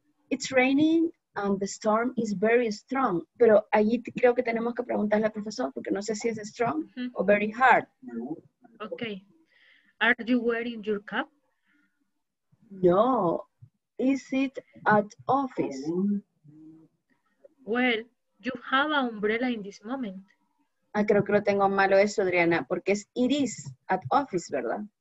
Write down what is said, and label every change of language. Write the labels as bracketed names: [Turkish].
[English] It's raining and the storm is very strong. [Spanish] Pero allí creo que tenemos que preguntarle al profesor porque no sé si es [English] strong or very hard. Okay. Are you wearing your cap? No. Is it at office? Well, you have an umbrella in this moment. [Spanish] Ah, creo que lo tengo malo eso, Adriana, porque es [English] it is at office, [Spanish] ¿verdad?